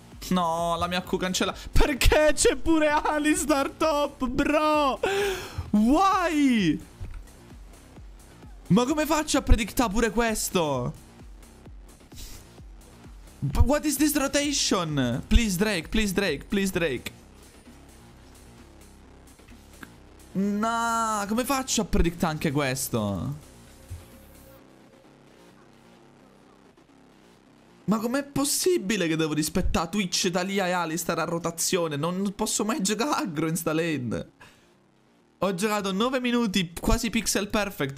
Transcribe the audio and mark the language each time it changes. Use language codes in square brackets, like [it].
[it] No, la mia Q cancella. Perché c'è pure Alistar top, bro? Why? Ma come faccio a predictare pure questo? [en] But what is this rotation? Please Drake, please Drake, please Drake. [it] No, come faccio a predictare anche questo? Ma com'è possibile che devo rispettare Twitch, Talia e Alistar a rotazione? Non posso mai giocare aggro in sta lane. Ho giocato 9 minuti, quasi pixel perfect.